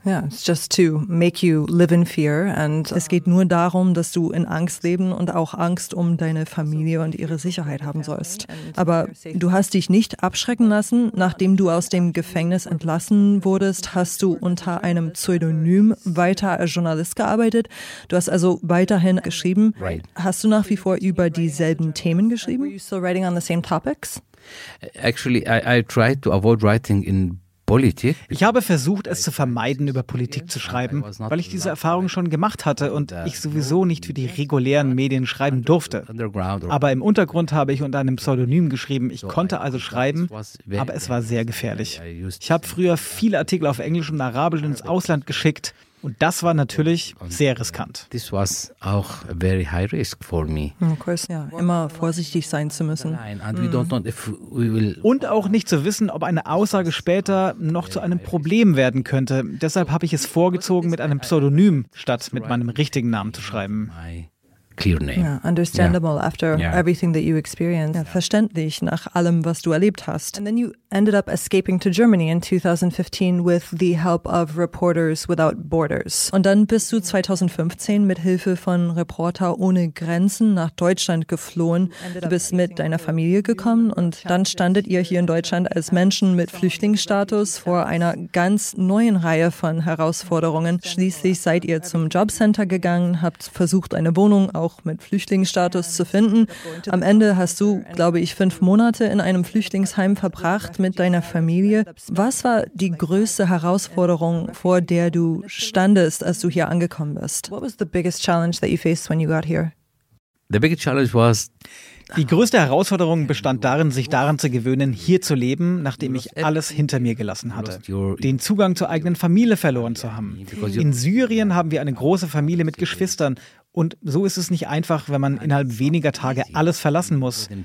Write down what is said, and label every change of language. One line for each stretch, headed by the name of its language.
English: Yeah, it's just to make you live in fear and
German: es geht nur darum, dass du in Angst leben und auch Angst um deine Familie und ihre Sicherheit haben sollst. Aber du hast dich nicht abschrecken lassen. Nachdem du aus dem Gefängnis entlassen wurdest, hast du unter einem Pseudonym weiter als Journalist gearbeitet. Du hast also weiterhin geschrieben.
English: Right.
German: Hast du nach wie vor über dieselben Themen geschrieben?
English: Were you still writing on the same topics? Actually, I tried to avoid writing in Politik.
German: Ich habe versucht, es zu vermeiden, über Politik zu schreiben, weil ich diese Erfahrung schon gemacht hatte und ich sowieso nicht für die regulären Medien schreiben durfte. Aber im Untergrund habe ich unter einem Pseudonym geschrieben. Ich konnte also schreiben, aber es war sehr gefährlich. Ich habe früher viele Artikel auf Englisch und Arabisch ins Ausland geschickt und das war natürlich sehr riskant.
English: This was auch very high risk for me. Of course,
German: ja, immer vorsichtig sein zu müssen. Und auch nicht zu wissen, ob eine Aussage später noch zu einem Problem werden könnte. Deshalb habe ich es vorgezogen, mit einem Pseudonym statt mit meinem richtigen Namen zu schreiben.
English: Clear name. Yeah, understandable after everything that you experienced.
German: Yeah, verständlich nach allem, was du erlebt hast.
English: And then you ended up escaping to Germany in 2015 with the help of Reporters Without Borders.
German: Und dann bist du 2015 mit Hilfe von Reporter ohne Grenzen nach Deutschland geflohen. Du bist mit deiner Familie gekommen und dann standet ihr hier in Deutschland als Menschen mit Flüchtlingsstatus vor einer ganz neuen Reihe von Herausforderungen. Schließlich seid ihr zum Jobcenter gegangen, habt versucht, eine Wohnung auch mit Flüchtlingsstatus zu finden. Am Ende hast du, glaube ich, 5 Monate in einem Flüchtlingsheim verbracht mit deiner Familie. Was war die größte Herausforderung, vor der du standest, als du hier angekommen bist?
English: What was the biggest challenge that you faced when you got here? The biggest challenge was
German: die größte Herausforderung bestand darin, sich daran zu gewöhnen, hier zu leben, nachdem ich alles hinter mir gelassen hatte. Den Zugang zur eigenen Familie verloren zu haben. In Syrien haben wir eine große Familie mit Geschwistern. Und so ist es nicht einfach, wenn man innerhalb weniger Tage alles verlassen muss.